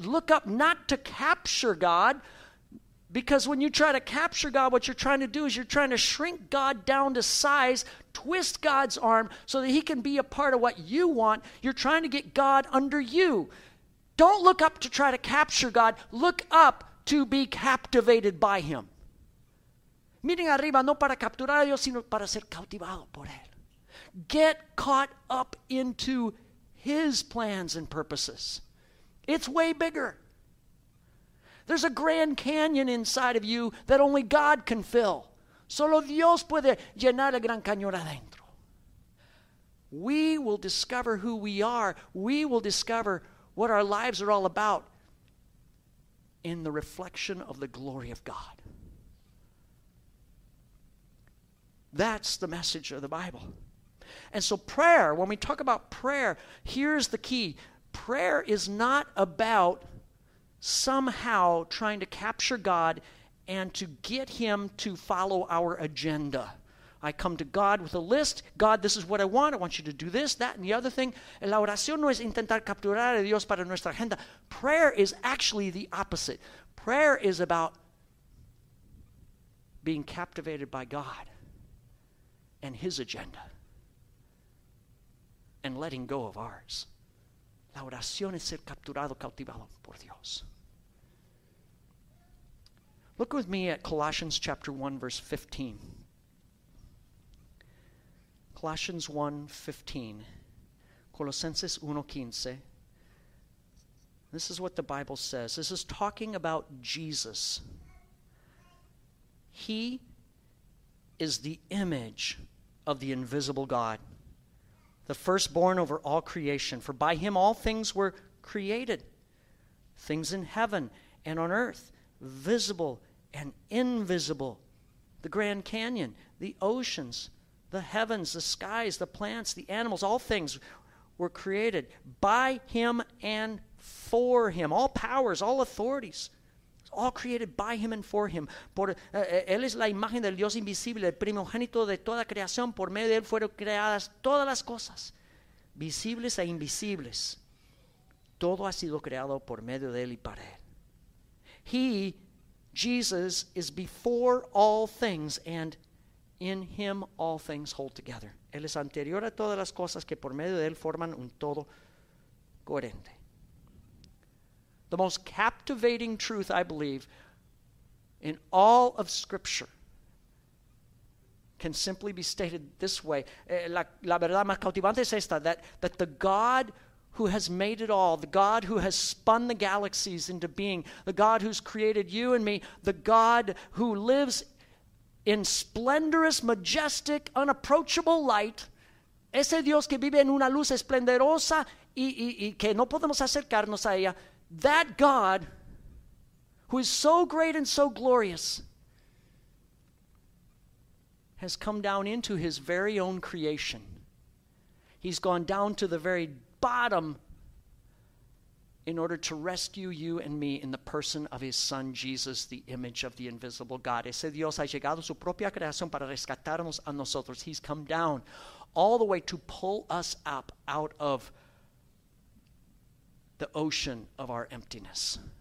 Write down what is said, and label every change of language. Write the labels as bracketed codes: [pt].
[en] Look up not to capture God, because when you try to capture God, what you're trying to do is you're trying to shrink God down to size, twist God's arm so that he can be a part of what you want. You're trying to get God under you. Don't look up to try to capture God. Look up to be captivated by him. [es] Miren arriba no para capturar a Dios, sino para ser cautivado por él. [en] Get caught up into his plans and purposes. It's way bigger. There's a Grand Canyon inside of you that only God can fill. [es] Solo Dios puede llenar el Gran Cañón adentro. [en] We will discover who we are. We will discover what our lives are all about in the reflection of the glory of God. That's the message of the Bible. And so prayer, when we talk about prayer, here's the key. Prayer is not about somehow trying to capture God and to get him to follow our agenda. I come to God with a list. God, this is what I want. I want you to do this, that, and the other thing. [es] La oración no es intentar capturar a Dios para nuestra agenda. [en] Prayer is actually the opposite. Prayer is about being captivated by God and his agenda. And letting go of ours. [es] La oración es ser capturado, cautivado por Dios. [en] Look with me at Colossians chapter 1, verse 15. Colossians 1, 15. Colosenses 1, 15. This is what the Bible says. This is talking about Jesus. He is the image of the invisible God, the firstborn over all creation. For by him all things were created, things in heaven and on earth, visible and invisible. The Grand Canyon, the oceans, the heavens, the skies, the plants, the animals, all things were created by him and for him. All powers, all authorities, all created by him and for him. [es] Él es la imagen del Dios invisible, el primogénito de toda creación. Por medio de él fueron creadas todas las cosas, visibles e invisibles. Todo ha sido creado por medio de él y para él. He [en] Jesus is before all things, and in him all things hold together. [es] Él es anterior a todas las cosas que por medio de él forman un todo coherente. [en] The most captivating truth, I believe, in all of Scripture can simply be stated this way. [es] La verdad más cautivante es esta, [en] that the God who has made it all, the God who has spun the galaxies into being, the God who's created you and me, the God who lives in splendorous, majestic, unapproachable light, [es] ese Dios que vive en una luz esplendorosa y que no podemos acercarnos a ella, [en] that God who is so great and so glorious has come down into his very own creation. He's gone down to the very bottom in order to rescue you and me in the person of his son Jesus, the image of the invisible God. [es] Ese Dios ha llegado a su propia creación para rescatarnos a nosotros. [en] He's come down all the way to pull us up out of the ocean of our emptiness.